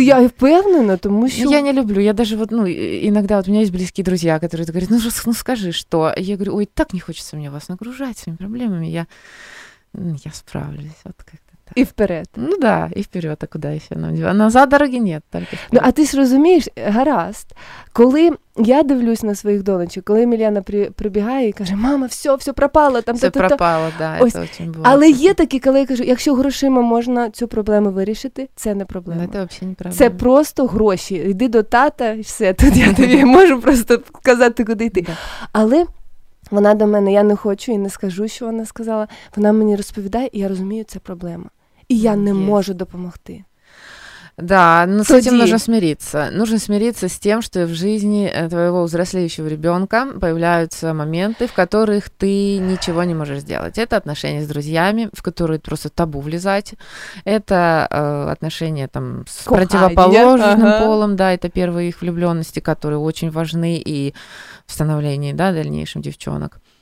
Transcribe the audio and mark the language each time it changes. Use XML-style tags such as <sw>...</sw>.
<uk>Я впевнена, тому що...</uk> <ru>Я не люблю, я даже вот, ну, иногда вот у меня есть близкие друзья, которые говорят, ну скажи, что? Я говорю, ой, так не хочется мне вас нагружать своими проблемами, я справлюсь, вот как-то так. И вперед. Ну да, и вперед, а куда еще? Назад дороги нет, только вперед.</ru> <uk>Ну, а ты ж розумієш, гаразд, коли я дивлюсь на своих донечек, коли Емельяна прибігає і каже, мама, все пропало, там все пропало, да, ось.</uk> <ru>Это очень было.</ru> <uk>Але є такі, коли я кажу, якщо грошима можна цю проблему вирішити, це не проблема. Ну, це вообще не проблема. Це просто гроші. Йди до тата, і все, тут я тобі можу просто сказати, куди йти. Да. Але вона до мене, я не хочу і не скажу, що вона сказала, вона мені розповідає, і я розумію, це проблема. І я не можу допомогти.</uk> <ru>Да, но с этим нужно смириться. Нужно смириться с тем, что в жизни твоего взрослеющего ребенка появляются моменты, в которых ты ничего не можешь сделать. Это отношения с друзьями, в которые просто табу влезать. Это отношения там с Кухарь, противоположным полом, да, это первые их влюбленности, которые очень важны и в становлении, да, дальнейшем девчонок.</ru>